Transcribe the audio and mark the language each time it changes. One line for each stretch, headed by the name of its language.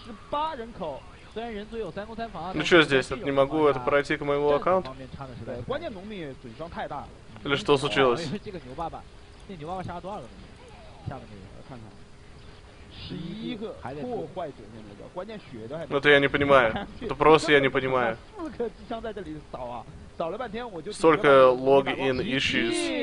Chinese: 好，这边是随便交换一下，因为经济已经是远超对手。128人口，虽然人族有三攻三防啊。
Russian: Ну что здесь? Не могу это пройти к моему аккаунту?
Chinese: 关键农民损伤太大了。
Russian: Или что случилось?
Chinese: 这个牛爸爸，那牛爸爸杀了多少个农民？下面那个看看，11个破坏者现在的，关键血都还。
Russian: Это я не понимаю. Это просто я не понимаю.
Chinese: 4个机枪在这里扫啊。
Russian: Столько логин issues.